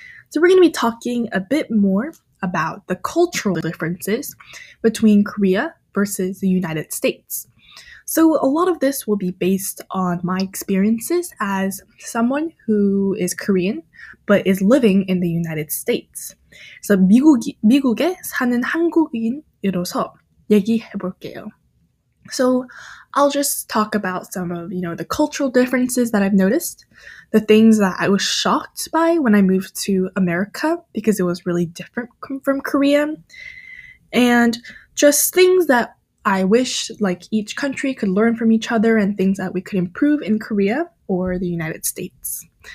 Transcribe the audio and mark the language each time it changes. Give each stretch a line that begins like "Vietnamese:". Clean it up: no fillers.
English: So we're going to be talking a bit more about the cultural differences between Korea versus the United States. So a lot of this will be based on my experiences as someone who is Korean but is living in the United States.
Korean: So 미국에 사는 한국인으로서 얘기해 볼게요.
English: So I'll just talk about some of, you know, the cultural differences that I've noticed, the things that I was shocked by when I moved to America because it was really different from Korea, and just things that I wish, like, each country could learn from each other and things that we could improve in Korea or the United States.